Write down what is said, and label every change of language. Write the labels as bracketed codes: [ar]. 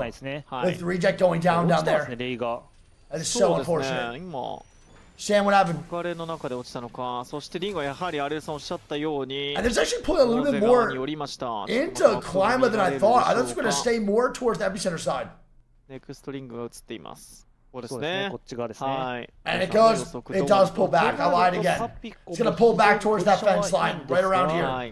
[en] With reject going down there. That is so unfortunate. Shan, what happened? [ja] 別れの中で落ちたのか。そしてリンはやはりアレルさんおっしゃったように。 [en] And there's actually pulling a little bit more into Klima than I thought. I thought it's going to stay more towards the epicenter side. [ja] Next リンが映っています。 [en] And it goes, it does pull back. I lied again. It's going to pull back towards that fence line right around here.